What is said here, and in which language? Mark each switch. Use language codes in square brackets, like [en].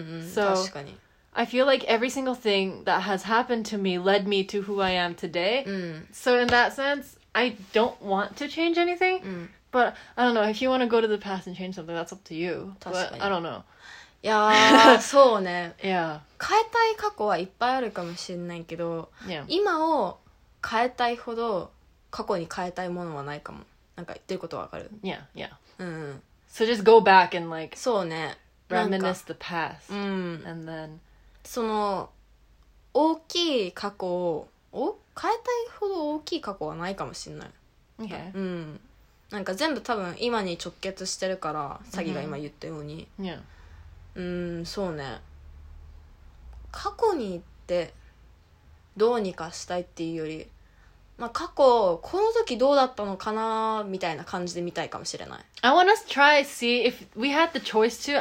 [en] So, [ja] 確かに。 [en] I feel like every single thing that has happened to me led me to who I am today. So in that sense... I don't want to change anything, but I don't know, if you want to go to the past and change something, that's up to you, but I don't know. Yeah, [ja] そうね。 [en] Yeah. [ja] 変えたい過去はいっぱいあるかもしれないけど、 [en] yeah. [ja] 今を変えたいほど過去に変えたいものはないかも。なんか言ってることはわかる。 [en] Yeah, yeah.、 [ja] うん、 [en] so just go back and like, [ja] そうね。 [en] reminisce the past, and then... [ja] その大きい過去を変えたいほど大きい過去はないかもしれない。 [en] Okay. [ja] なんか全部多分今に直結してるから、詐欺が今言ったように。 [en] Yeah. [ja] そうね。過去に行ってどうにかしたいっていうより、まあ過去この時どうだったのかなみたいな感じで見たいかもしれない。 [en] I wanna try see if we had the choice to.